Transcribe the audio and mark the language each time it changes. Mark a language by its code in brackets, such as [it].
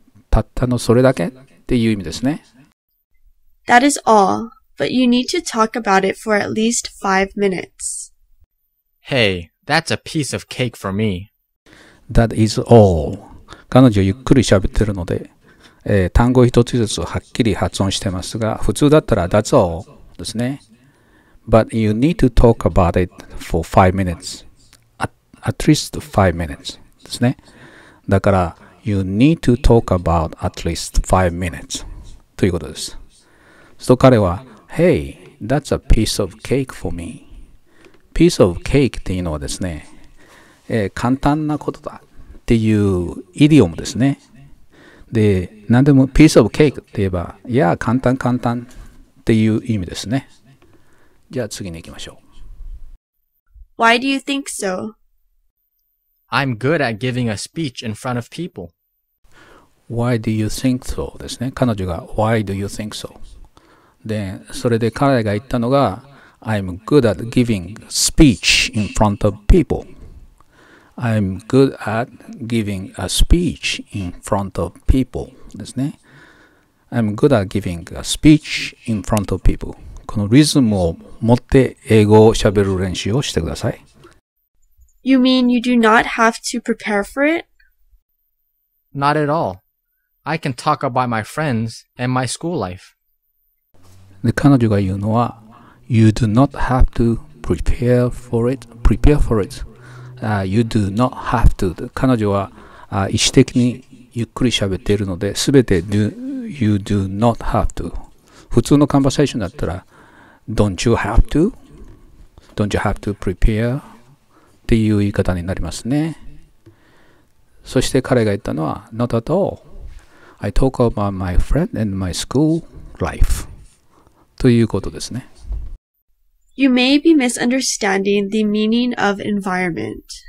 [ja] たったのそれだけっていう意味ですね。 [en] That is all, but you need to talk about it for at least 5 minutes. Hey, that's a piece of cake for me. That is all. [ja] 彼女ゆっくり喋ってるので、単語一つずつはっきり発音してますが、普通だったら [en] That's all [ja] ですね。 [en] But you need to talk about it for 5 minutes. At least 5 minutes. [ja] ですね。だから、 [en] you need to talk about at least 5 minutes. [ja] ということです。そう彼は、 [en] Hey, that's a piece of cake for me. Piece of cake [ja] っていうのはですね、簡単なことだっていうイディオムですね。で、何でも [en] piece of cake [ja] って言えば、いや、簡単っていう意味ですね。じゃあ次に行きましょう。 [en] Why do you think so? I'm good at giving a speech in front of people. Why do you think so? [ja] ですね。彼女が [en] Why do you think so? [ja] で、それで彼が言ったのが [en] I'm good at giving speech in front of people. I'm good at giving a speech in front of people. [ja] ですね。 [en] I'm good at giving a speech in front of people. [ja] このリズムを持って英語を喋る練習をしてください。 [en] You mean you do not have to prepare for it? Not at all. I can talk about my friends and my school life. [ja] で、彼女が言うのは、 [en] You do not have to prepare for it. Prepare for it.、You do not have to. [ja] 彼女は、意思的にゆっくり喋っているので、すべて [en] You do not have to. [ja] 普通のコンバーセーションだったら、 [en] Don't you have to? Don't you have to prepare? [ja] っていう言い方になりますね。そして彼が言ったのは、 [en] Not at all. I talk about my friend and my school life. [ja] ということですね。 [en] You may be misunderstanding the meaning of environment.